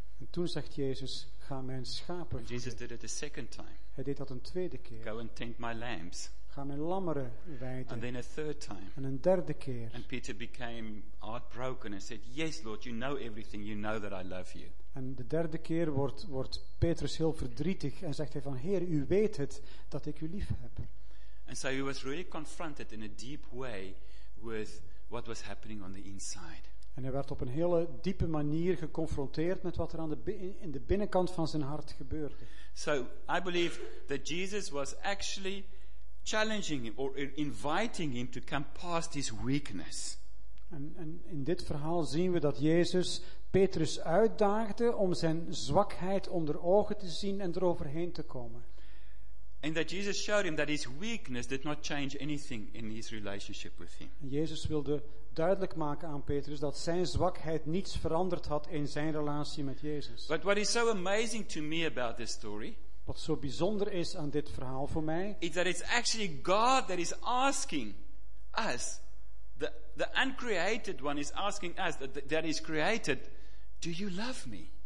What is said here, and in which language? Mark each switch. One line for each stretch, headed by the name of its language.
Dutch: En toen zegt Jezus, ga mijn schapen voeden.
English: Jesus did it a second time.
Dutch: Hij deed dat een tweede keer.
English: Go and tend my lambs.
Dutch: Ga mijn lammeren weiden.
English: And then a third time.
Dutch: En een derde keer.
English: And Peter became heartbroken and said, yes Lord, you know everything, you know that I love you.
Dutch: En de derde keer wordt Petrus heel verdrietig en zegt hij van, Heer, u weet het dat ik u lief heb.
English: And so he was really confronted in a deep way with what was happening on the inside.
Dutch: En hij werd op een hele diepe manier geconfronteerd met wat er aan in de binnenkant van zijn hart gebeurde.
English: So I believe that Jesus was actually challenging him or inviting him to come past his weakness.
Dutch: En in dit verhaal zien we dat Jezus Petrus uitdaagde om zijn zwakheid onder ogen te zien en eroverheen te komen.
English: And that Jesus showed him that his weakness did not change anything in his relationship with him.
Dutch: Jezus wilde duidelijk maken aan Petrus dat zijn zwakheid niets veranderd had in zijn relatie met Jezus.
English: But what is so amazing to me about this story?
Dutch: Wat zo bijzonder is aan dit verhaal voor mij,
English: is that it's actually God that is asking us, the uncreated one is asking us that is created, do you love me?